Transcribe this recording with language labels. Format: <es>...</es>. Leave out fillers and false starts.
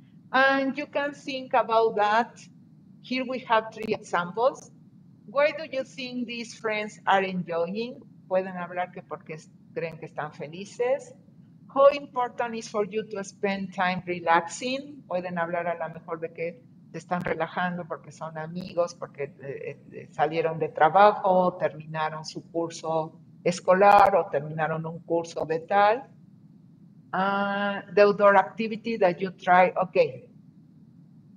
<en>And you can think about that. Here we have three examples. Why do you think these friends are enjoying?</en> <es>Pueden hablar que porque creen que están felices.</es> <en>How important is for you to spend time relaxing?</en> <es>Pueden hablar a lo mejor de que se están relajando porque son amigos, porque salieron de trabajo, terminaron su curso escolar o terminaron un curso de tal.</es> <en>The outdoor activity that you try, ok.</en>